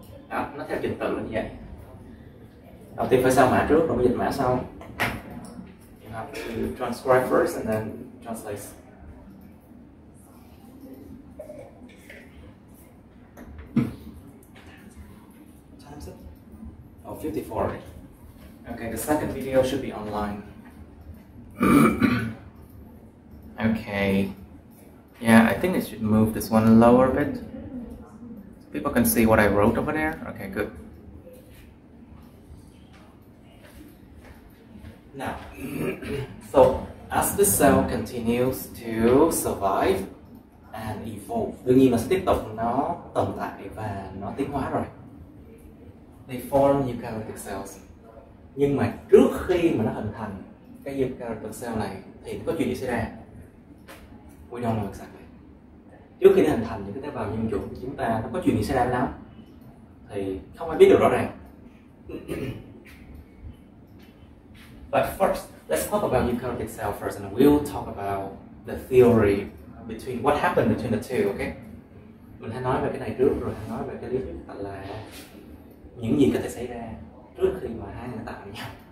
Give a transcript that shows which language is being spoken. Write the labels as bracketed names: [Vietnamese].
[Vietnamese] Nó theo trình tự là như vậy. Đầu tiên phải sao mã trước, rồi mới dịch mã sau. [English] You have to transcribe first and then translate. Oh, 54. Okay, the second video should be online. Okay. Yeah, I think it should move this one lower a bit. So people can see what I wrote over there. Okay, good. Now, so as the cell continues to survive and evolve, [Vietnamese] đương nhiên là sẽ tiếp tục nó tồn tại và nó tiến hóa rồi. [English] They form eukaryotic cells. [Vietnamese] Nhưng mà trước khi mà nó hình thành cái eukaryotic cell này thì có chuyện gì xảy ra? [English] We don't know exactly. [Vietnamese] Trước khi nó hình thành những cái tế bào nhân chủng của chúng ta nó có chuyện gì xảy ra lắm? Thì không ai biết được rõ ràng. [English] But first, let's talk about eukaryotic cell first and we'll talk about the theory between what happened between the two, okay? [Vietnamese] Mình hãy nói về cái này trước rồi hãy nói về cái lý thuyết là những gì có thể xảy ra trước khi mà hai người tạo nhau.